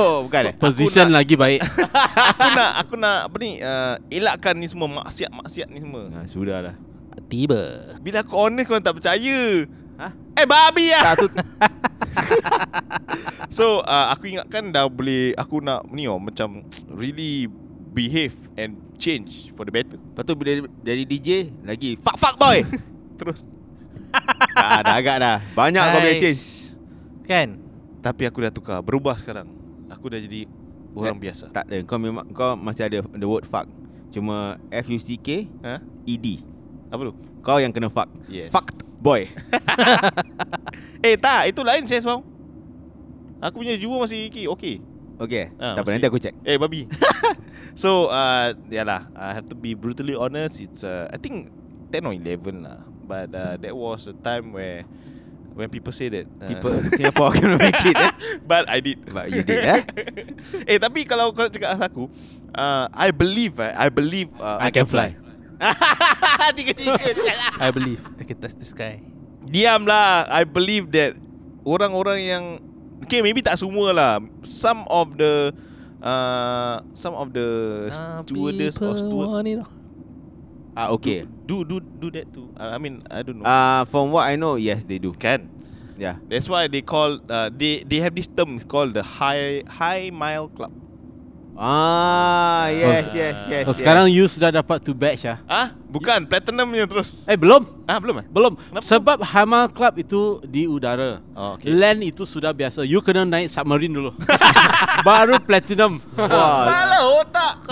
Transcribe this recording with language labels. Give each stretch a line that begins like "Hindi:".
Malay: Bukan. Position nak, lagi baik. aku nak apa ni, elakkan ni semua. Maksiat ni semua. Sudahlah. Tiba. Bila aku honest, korang tak percaya. Ha? Eh babi lah tak, tu. So aku ingatkan dah boleh. Aku nak ni macam
English: really behave and change for the better.
Malay: Lepas tu bila jadi DJ lagi fuckboy. Terus dah agak dah. Banyak nice. Kau boleh change kan. Tapi aku dah tukar, berubah sekarang. Aku dah jadi orang biasa. Tak ada, kau memang kau masih ada
English: the word fuck.
Malay: Cuma F-U-C-K, E-D. Apa tu? Kau yang kena fuck.
English: Yes. Fucked boy.
Malay: Eh tak, itu lain saya semua. Aku punya jiwa masih okay. Okay, tak apa, nanti aku check. Eh babi.
English: So, yalah, I have to be brutally honest. It's I think 10 or 11 lah. But that was the time where when people say that people Singapore cannot make it, eh? But I did. But you did, eh?
Malay: Eh, tapi kalau kau cakap asal aku,
English: I believe, I believe I can fly.
Malay: Tiga-tiga.
English: I believe I can touch the sky.
Malay: Diamlah.
English: I believe that
Malay: orang-orang yang, okay,
English: maybe
Malay: tak semua lah.
English: Some of the some of the stewardess or steward. Ah, okay. Do that too. I mean, I don't know. From what I know, yes, they do. Can. Yeah. That's why they call they have this term called the high mile club. Ah, yes.
Malay: Sekarang you sudah dapat 2 badge ah. Ah, bukan platinumnya terus. Eh, belum. Ah, belum eh? Belum. Kenapa? Sebab high mile club itu di udara. Oh, okay. Land itu sudah biasa. You kena naik submarine dulu. Baru platinum. Wah. Malah otak.